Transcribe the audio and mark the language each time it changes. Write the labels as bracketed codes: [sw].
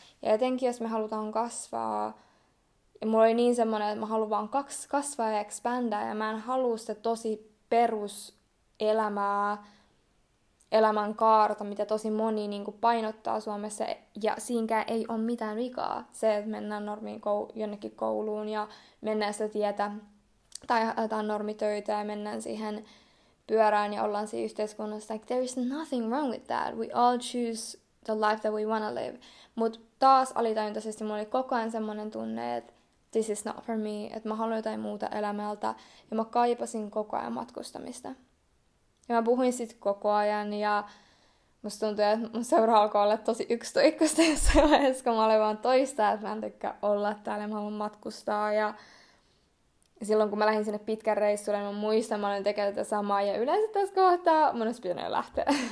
[fi] Ja jotenkin jos me halutaan kasvaa, ja mulla oli niin semmonen, että mä haluan vaan kasvaa ja expandaa, ja mä en halua sitä tosi peruselämää, elämän kaarta, mitä tosi moni niin kuin painottaa Suomessa, ja siinkään ei ole mitään vikaa. Se, että mennään normiin jonnekin kouluun ja mennään sitä tietä, tai haetaan normitöitä ja mennään siihen pyörään ja ollaan siinä yhteiskunnassa. [en] Like, there is nothing wrong with that. We all choose the life that we wanna live. [fi] Mut taas alitajuntaisesti mulla oli koko ajan semmonen tunne, että [en] this is not for me, [fi] että mä haluan jotain muuta elämältä, ja mä kaipasin koko ajan matkustamista. Ja mä puhuin sit koko ajan, ja musta tuntui, että mun seura alkoi olla tosi yksitoikkoista jossain vaiheessa, kun mä olin vaan toista, että mä en tykkää olla täällä, mä haluan matkustaa, ja silloin, kun mä lähdin sinne pitkän reissulle, mä muistan, mä olin tekemään tätä samaa, ja yleensä tässä kohtaa mun olisi pitänyt lähteä.